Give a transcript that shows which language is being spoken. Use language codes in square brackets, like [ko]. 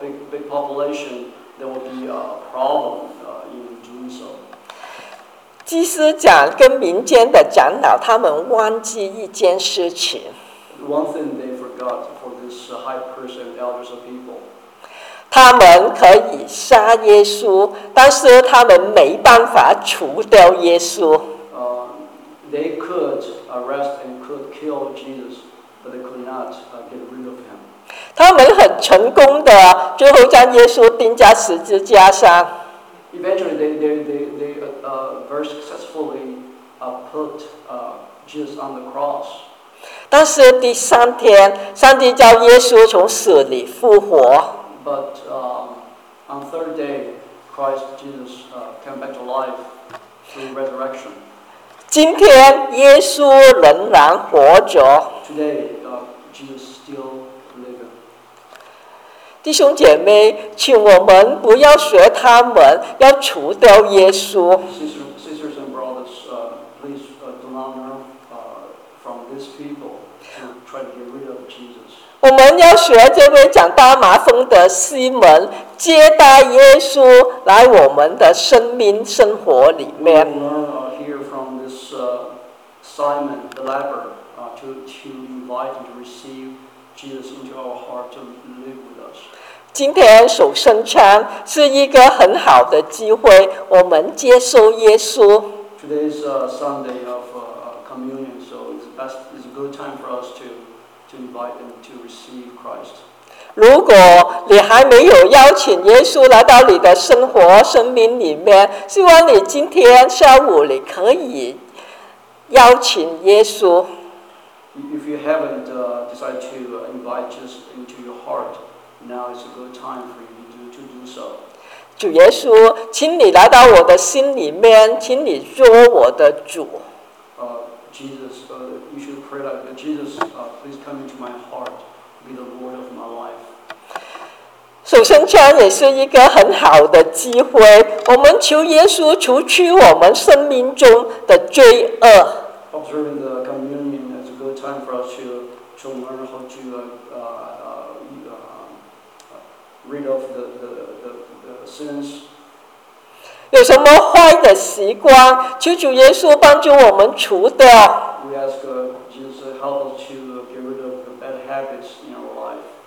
[en] Big population, there will be a problem in doing so. [zh] 祭司长跟民间的长老他们忘记一件事情。 [en] One thing they forgot for this high priest and elders of people. [zh] 他们可以杀耶稣，但是他们没办法除掉耶稣。 [en] They could arrest and could kill Jesus, but they could not get rid of him. [zh] 他们很成功的，最后将耶稣钉在十字架上。 [en] Eventually, they very successfully put Jesus on the cross. [zh] 但是第三天，上帝叫耶稣从死里复活。 [en] But on third day, Christ Jesus came back to life through resurrection. [zh] 今天耶稣仍然活着。 [en] Today, Jesus still living. [zh] 弟兄姐妹，请我们不要学他们，要除掉耶稣。 [en] Sisters and brothers, please do not learn from these people to try to get rid of Jesus. [zh] 我们要学这位讲大麻风的西门，接待耶稣来我们的生命生活里面。 [en] We learn here from this Simon the leper to invite and to receive Jesus into our heart to live with us. [zh] 今天守圣餐是一个很好的机会，我们接受耶稣。 [en] Today is Sunday of communion, so it's a good time for us to invite them to receive Christ. [zh] 如果你还没有邀请耶稣来到你的生活生命里面，希望你今天下午你可以邀请耶稣。 [en] If you haven't decided to invite Jesus into your heart, now is a good time for you to do so. [zh] 主耶稣，请你来到我的心里面，请你做我的主。 [en] Jesus, you should pray that Jesus, please come into my heart, be the Lord of my life. [zh] 守圣餐也是一个很好的机会，我们求耶稣除去我们生命中的罪恶。 [en] Observing the communion is a good time for us to learn how to rid of the sins. [zh] 有什么坏的习惯，求主耶稣帮助我们除掉。 [en] We ask Jesus to help us to get rid of the bad habits in our life.